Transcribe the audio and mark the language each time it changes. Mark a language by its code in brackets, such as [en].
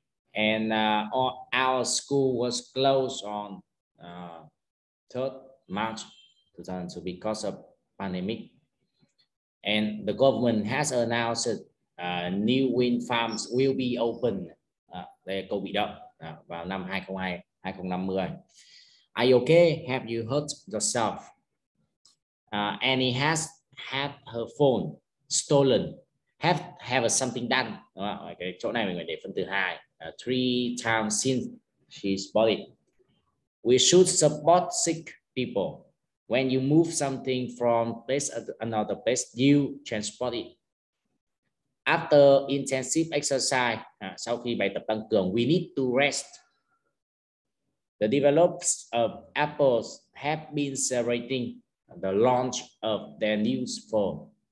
[en] And our school was closed on 3rd March 2020 because of pandemic. And the government has announced new wind farms will be open. [vi] Đây là câu bị động vào năm 2020-2050. [en] Are you okay? Have you hurt yourself? Annie has had her phone stolen. Have something done. [vi] Đúng không? Cái chỗ này mình phải để phần thứ hai. [en] Three times since she's bought it. We should support sick people. When you move something from place to another place, you transport it. After intensive exercise, [vi] sau khi bài tập tăng cường, [en] we need to rest. The developers of Apple have been celebrating the launch of their new phone.